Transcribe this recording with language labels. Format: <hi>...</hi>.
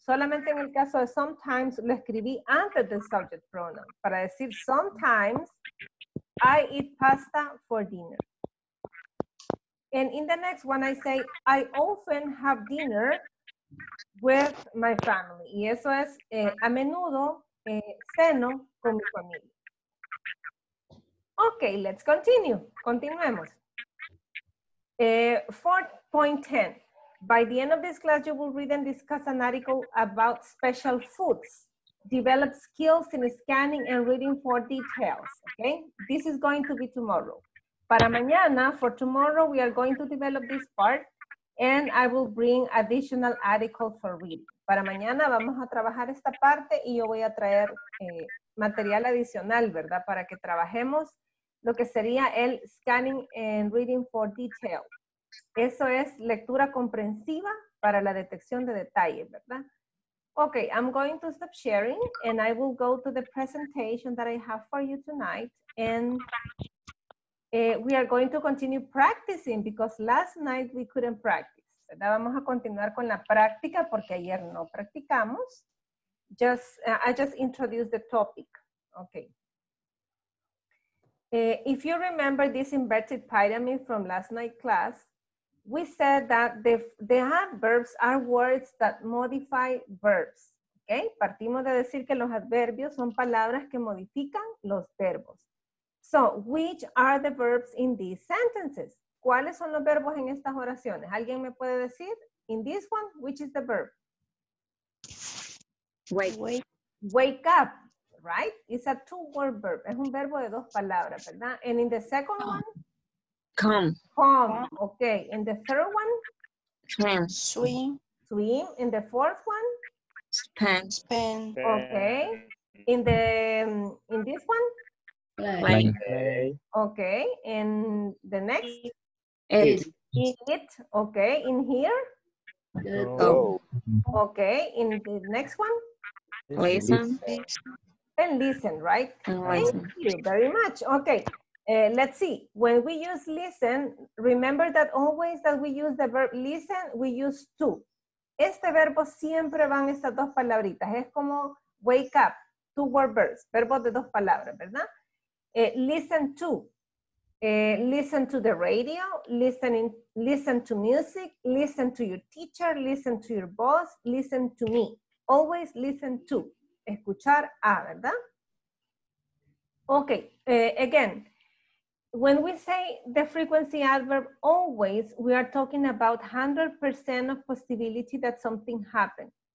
<es>Solamente en el caso de sometimes, lo escribí antes del subject pronoun, para decir</es> <en>sometimes, I eat pasta for dinner. And in the next one, I say, I often have dinner with my family.</en> <es>Y eso es, a menudo, ceno con mi familia.</es> <en>Okay, let's continue.</en> <es>Continuemos.</es> <en>4.10. By the end of this class, you will read and discuss an article about special foods. Develop skills in scanning and reading for details, okay? This is going to be tomorrow.</en> <es>Para mañana,</es> <en>for tomorrow, we are going to develop this part and I will bring additional articles for reading.</en> <es>Para mañana vamos a trabajar esta parte y yo voy a traer material adicional, ¿verdad? Para que trabajemos lo que sería el</es> <en>scanning and reading for detail.</en> <es>Eso es lectura comprensiva para la detección de detalles, ¿verdad?</es> <en>Okay, I'm going to stop sharing and I will go to the presentation that I have for you tonight. And we are going to continue practicing because last night we couldn't practice.</en> <es>¿Verdad? Vamos a continuar con la práctica porque ayer no practicamos.</es> <en>I just introduced the topic. Okay. If you remember this inverted pyramid from last night class, we said that the adverbs are words that modify verbs, ¿ok? Okay?</en> <es>Partimos de decir que los adverbios son palabras que modifican los verbos.</es> <en>So, which are the verbs in these sentences?</en> <es>¿Cuáles son los verbos en estas oraciones? ¿Alguien me puede decir?</es> <en>In this one, which is the verb? Wake up, right? It's a two-word verb.</en> <es>Es un verbo de dos palabras, ¿verdad?</es> <en>And in the second one? Come. Okay. In the third one? Swim. In the fourth one? Spend. Okay. In this one? Play. Okay. In the next? Eat. Okay. In here? Go. Okay. In the next one? Listen. And listen, right? Thank you very much. Okay. Let's see. When we use listen, remember that always that we use the verb listen, we use to.</en> <es>Este verbo siempre van estas dos palabritas. Es como wake up, two word verbs, verbos de dos palabras, ¿verdad?</es> <en>Listen to the radio, listen to music, listen to your teacher, listen to your boss, listen to me. Always listen to,</en> <es>escuchar a, ¿verdad?</es> <en>Okay, again, when we say the frequency adverb always, we are talking about 100% of possibility that something happened.</en>